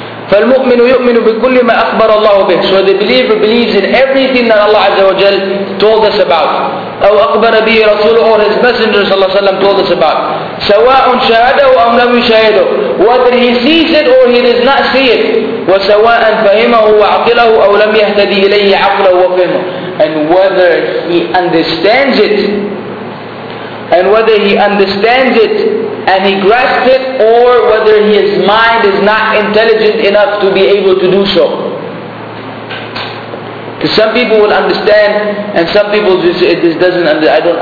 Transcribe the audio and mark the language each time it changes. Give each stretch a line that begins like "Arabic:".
Arabic: فالمؤمن يؤمن بكل ما أخبر الله به.
English: So the believer believes in everything that Allah Azza wa Jal told us about.
Arabic: أو أخبر به رسوله
English: or His Messenger
Arabic: صلى الله عليه وسلم
English: told us about.
Arabic: سواء شاهده أم لم يشاهده.
English: Whether he sees it or he does not see it.
Arabic: وسواء فهمه وعقله أو لم يهتدي إليه عقله وفهمه.
English: And whether he understands it. And whether he understands it and he grasps it, or whether his mind is not intelligent enough to be able to do so. Because some people will understand and some people just doesn't understand.